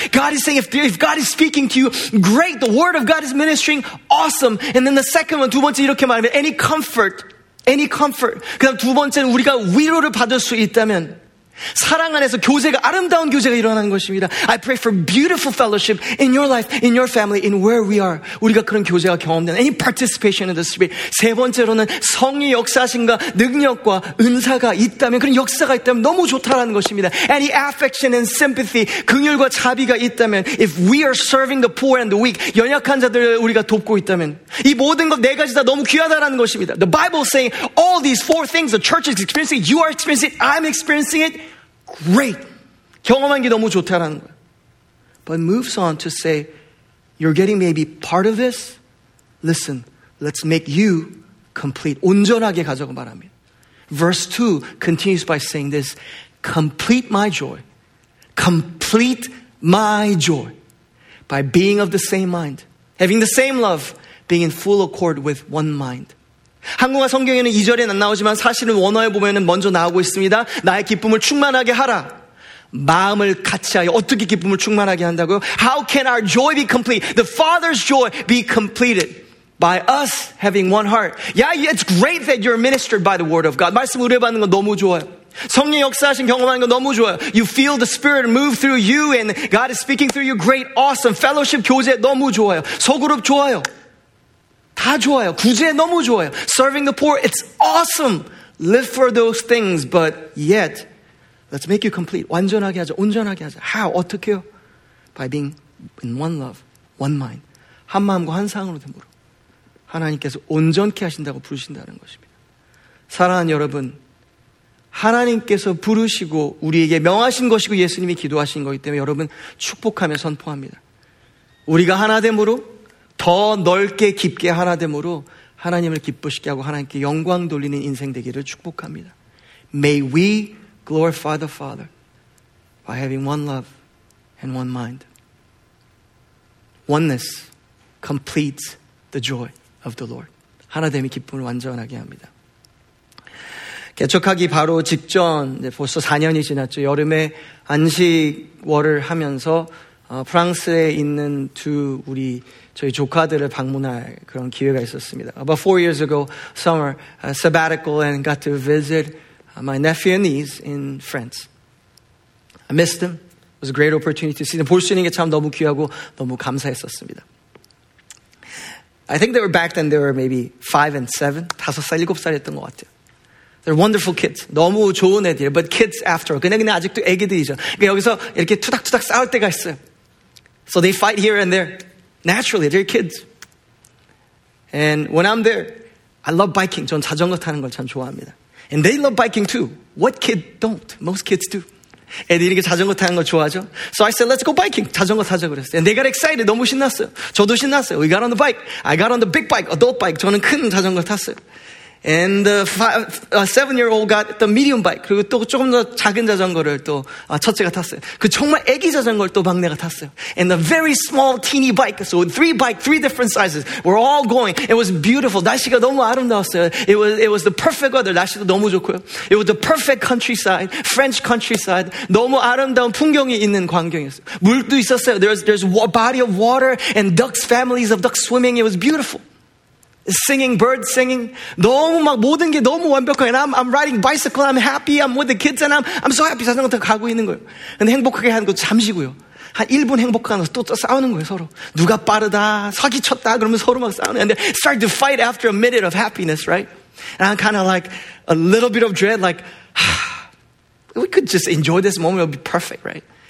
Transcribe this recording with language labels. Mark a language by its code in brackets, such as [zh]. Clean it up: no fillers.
[en] God is saying if God is speaking to you, great, the word of God is ministering, awesome. And then the second one, [ko] 두 번째 이렇게 말하면 [en] any comfort. [ko] 그 다음 두 번째는 우리가 위로를 받을 수 있다면 사랑 안에서 교제가 아름다운 교제가 일어나는 것입니다. [en] I pray for beautiful fellowship in your life, in your family, in where we are. [ko] 우리가 그런 교제가 경험되는 [en] any participation in the spirit. [ko] 세 번째로는 성령 역사하심과 능력과 은사가 있다면 그런 역사가 있다면 너무 좋다라는 것입니다. [en] Any affection and sympathy, [ko] 긍휼과 자비가 있다면 [en] if we are serving the poor and the weak, [ko] 연약한 자들을 우리가 돕고 있다면 이 모든 것 네 가지 다 너무 귀하다라는 것입니다. [en] The Bible is saying all these four things the church is experiencing, you are experiencing it, I'm experiencing it. Great. [ko] 경험한 게 너무 좋다라는 거예요. [en] But moves on to say, you're getting maybe part of this. Listen, let's make you complete. [ko] 온전하게 가져가 말합니다. [en] Verse 2 continues by saying this. Complete my joy. Complete my joy. By being of the same mind. Having the same love. Being in full accord with one mind. [ko] 한국어 성경에는 2절에는 안 나오지만 사실은 원어에 보면 먼저 나오고 있습니다. 나의 기쁨을 충만하게 하라. 마음을 같이 하여 어떻게 기쁨을 충만하게 한다고요? [en] How can our joy be complete? The Father's joy be completed by us having one heart. Yeah, it's great that you're ministered by the word of God. [ko] 말씀 의뢰받는 거 너무 좋아요. 성령 역사하신 경험하는 거 너무 좋아요. [en] You feel the spirit move through you and God is speaking through you. Great, awesome. Fellowship, [ko] 교제 너무 좋아요. 소그룹 좋아요. 다 좋아요. 구제 너무 좋아요. [en] Serving the poor, it's awesome. Live for those things, but yet, let's make you complete. [ko] 완전하게 하자, 온전하게 하자. [en] How? [ko] 어떻게요? [en] By being in one love, one mind. [ko] 한 마음과 한 상으로 됨으로 하나님께서 온전케 하신다고 부르신다는 것입니다. 사랑하는 여러분, 하나님께서 부르시고 우리에게 명하신 것이고 예수님이 기도하신 것이기 때문에 여러분 축복하며 선포합니다. 우리가 하나 됨으로 더 넓게 깊게 하나됨으로 하나님을 기쁘시게 하고 하나님께 영광 돌리는 인생 되기를 축복합니다. [en] May we glorify the Father by having one love and one mind. Oneness completes the joy of the Lord. [ko] 하나됨이 기쁨을 완전하게 합니다. 개척하기 바로 직전, 이제 벌써 4년이 지났죠. 여름에 안식월을 하면서 프랑스에 있는 두 우리 저희 조카들을 방문할 그런 기회가 있었습니다. [en] About 4 years ago, summer, sabbatical, and got to visit my nephew and niece in France. I missed them. It was a great opportunity to see them. [ko] 볼 수 있는 게 참 너무 귀하고 너무 감사했었습니다. [en] I think they were back then, they were maybe 5 and 7, [ko] 5살, 7살이었던 것 같아요. [en] They're wonderful kids. [ko] 너무 좋은 애들. [en] But kids after all. [ko] 근데 아직도 애기들이죠. 그러니까 여기서 이렇게 투닥투닥 싸울 때가 있어요. [en] So they fight here and there. Naturally, they're kids. And when I'm there, I love biking. [ko] 전 자전거 타는 걸 참 좋아합니다. [en] And they love biking too. What kid don't? Most kids do. [ko] 애들이 이렇게 자전거 타는 걸 좋아하죠. [en] So I said, let's go biking. [ko] 자전거 타자 그랬어요. [en] And they got excited. [ko] 너무 신났어요. 저도 신났어요. [en] We got on the bike. I got on the big bike, adult bike. [ko] 저는 큰 자전거 탔어요. [en] And the seven-year-old got the medium bike. [ko] 그리고 또 조금 더 작은 자전거를 또 첫째가 탔어요. 그 정말 애기 자전거를 또 막내가 탔어요. [en] And the very small teeny bike. So three bike, three different sizes. We're all going. It was beautiful. [ko] 날씨가 너무 아름다웠어요. [en] It was the perfect weather. [ko] 날씨도 너무 좋고요. [en] It was the perfect countryside, French countryside. [ko] 너무 아름다운 풍경이 있는 광경이었어요. 물도 있었어요. [en] There's a body of water and ducks, families of ducks swimming. It was beautiful. Singing, birds singing. [ko] 너무 막 모든 게 너무 완벽하게. [en] I'm riding bicycle, I'm happy, I'm with the kids, and I'm so happy. [ko] 자전거 타고 가고 있는 거예요. 근데 행복하게 하는 거 잠시고요. 한 1분 행복하면서 또 싸우는 거예요, 서로. 누가 빠르다, 사기 쳤다, 그러면 서로 막 싸우는 거예요. [en] And they start to fight after a minute of happiness, right? And I'm kind of like a little bit of dread, like, we could just enjoy this moment, it'll be perfect, right?